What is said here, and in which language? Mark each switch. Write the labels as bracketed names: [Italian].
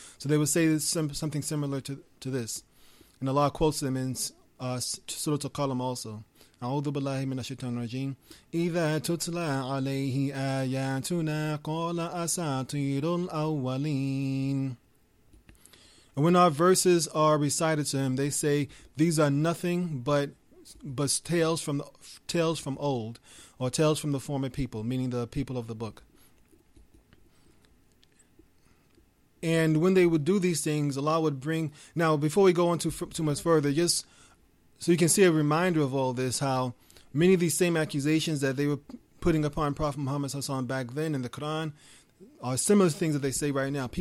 [English] So they would say something similar to this, and Allah quotes them in Surah Al-Qalam also. [Arabic] أعوذ بالله من الشيطان الرجيم إذا تتلى عليه آياتنا قال أساطير الأولين. [English] And when our verses are recited to him, they say, these are nothing but tales from old, or tales from the former people, meaning the people of the book. And when they would do these things, Allah would bring, now before we go on too much further, just so you can see a reminder of all this, how many of these same accusations that they were putting upon Prophet Muhammad sallallahu alaihi wasallam back then in the Quran are similar things that they say right now.